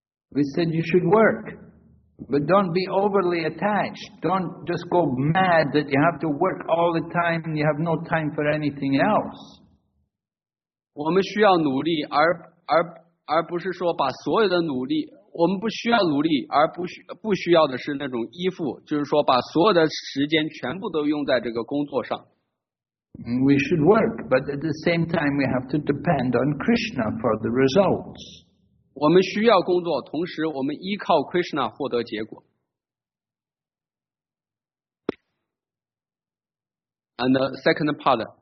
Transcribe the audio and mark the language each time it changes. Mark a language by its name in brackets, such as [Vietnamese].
[English] We said you should work, but don't be overly attached. Don't just go mad that you have to work all the time and you have no time for anything else. [Chinese] 我们需要努力，而不是说把所有的努力，我们不需要努力，而不需要的是那种依附，就是说把所有的时间全部都用在这个工作上。 [English] We should work, but at the same time we have to depend on Krishna for the results. [Chinese] 我们需要工作，同时我们依靠 Krishna 获得结果。 [English] And the second part.